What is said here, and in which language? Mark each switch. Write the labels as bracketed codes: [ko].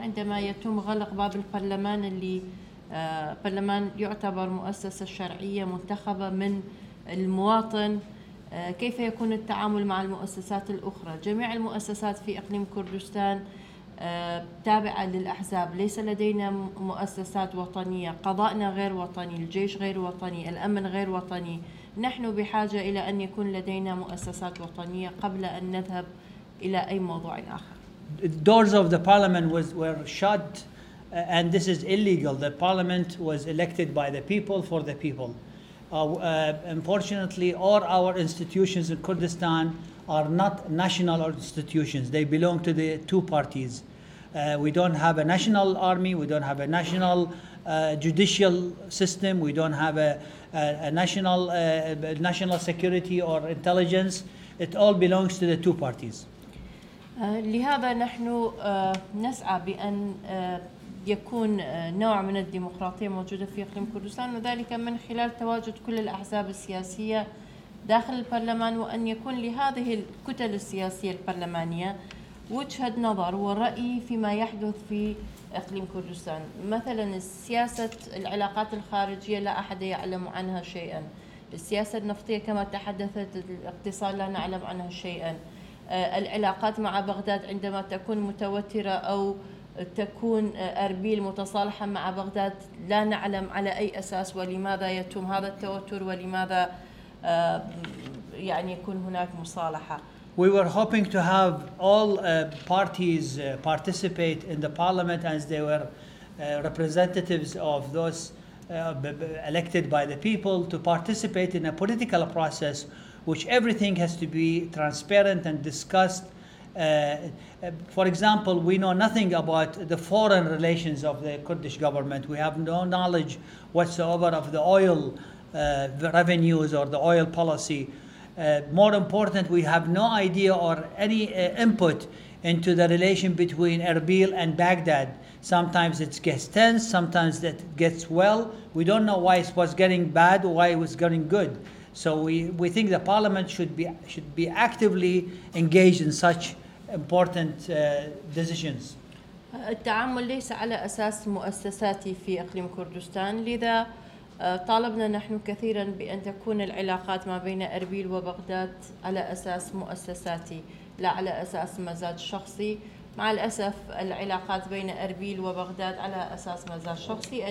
[ar] عندما يتم غلق باب البرلمان اللي برلمان يعتبر مؤسسة شرعية منتخبة من المواطن، كيف يكون التعامل مع المؤسسات الأخرى؟ جميع المؤسسات في إقليم كردستان تابعة للأحزاب، ليس لدينا مؤسسات وطنية، قضاءنا غير وطني، الجيش غير وطني، الأمن غير وطني. نحن بحاجة إلى أن يكون لدينا مؤسسات وطنية قبل أن نذهب إلى أي موضوع آخر. [en] The doors of the parliament were shut, and this is illegal. The parliament was elected by the people for the people. Unfortunately, all our institutions in Kurdistan are not national institutions. They belong to the two parties. We don't have a national army. We don't have a national judicial system. We don't have a national security or intelligence. It all belongs to the two parties. [ar] لهذا نحن نسعى بأن يكون نوع من الديمقراطية موجودة في إقليم كردستان، وذلك من خلال تواجد كل الأحزاب السياسية داخل البرلمان، وأن يكون لهذه الكتل السياسية البرلمانية وجهة نظر ورأي فيما يحدث في إقليم كردستان. مثلا سياسة العلاقات الخارجية لا أحد يعلم عنها شيئا، السياسة النفطية كما تحدثت، الاقتصاد لا نعلم عنها شيئا، العلاقات مع بغداد عندما تكون متوترة أو تكون أربيل متصالحة مع بغداد، لا نعلم على أي أساس ولماذا يتم هذا التوتر ولماذا يعني يكون هناك مصالحة. [en] We were hoping to have all parties participate in the parliament as they were representatives of those elected by the people to participate in a political process which everything has to be transparent and discussed For example, we know nothing about the foreign relations of the Kurdish government. We have no knowledge whatsoever of the oil revenues or the oil policy. More important, we have no idea or any input into the relation between Erbil and Baghdad. Sometimes it gets tense, sometimes it gets well. We don't know why it was getting bad, why it was getting good. So we think the parliament should be actively engaged in such important decisions. [ar] التعامل ليس على أساس مؤسساتي في إقليم كردستان، لذا طالبنا نحن كثيرا بأن تكون العلاقات ما بين أربيل وبغداد على أساس مؤسساتي لا على أساس مزاج شخصي. مع الأسف العلاقات بين أربيل وبغداد على أساس مزاج شخصي.